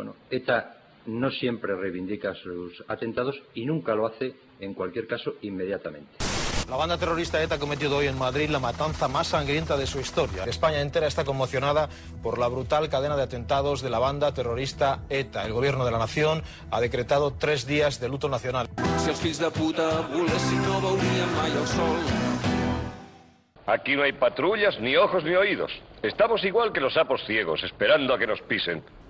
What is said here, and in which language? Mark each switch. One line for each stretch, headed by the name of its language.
Spanish: ETA no siempre reivindica sus atentados y nunca lo hace, en cualquier caso, inmediatamente. La banda terrorista ETA ha cometido hoy en Madrid la matanza más sangrienta de su historia. España entera está conmocionada por la brutal cadena de atentados de la banda terrorista ETA. El gobierno de la nación ha decretado 3 días de luto nacional.
Catalan: Si els fills de puta volessin, no veurien mai el sol.
Spanish: Aquí no hay patrullas, ni ojos, ni oídos. Estamos igual que los sapos ciegos, esperando a que nos pisen.